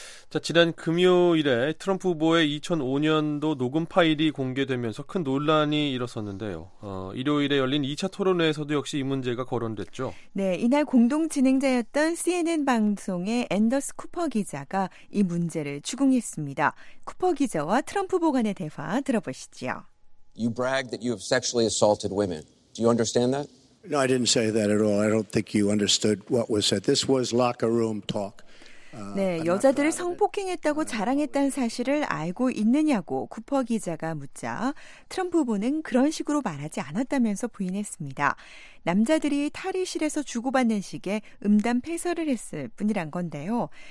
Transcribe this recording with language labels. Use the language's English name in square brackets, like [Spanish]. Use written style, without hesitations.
[Korean] 자, 지난 금요일에 트럼프 후보의 2005년도 녹음 파일이 공개되면서 큰 논란이 일었었는데요. 일요일에 열린 2차 토론회에서도 역시 이 문제가 거론됐죠. 네, 이날 공동 진행자였던 CNN 방송의 앤더스 쿠퍼 기자가 이 문제를 추궁했습니다. 쿠퍼 기자와 트럼프 후보 간의 대화 들어보시죠. [English] You brag that you have sexually assaulted women. Do you understand that? No, I didn't say that at all. I don't think you understood what was said. This was locker room talk. [Korean] 네, 여자들을 성폭행했다고 자랑했다는 사실을 알고 있느냐고 쿠퍼 기자가 묻자 트럼프 후보는 그런 식으로 말하지 않았다면서 부인했습니다. 남자들이 탈의실에서 주고받는 식의 음담 폐설을 했을 뿐이란 건데요.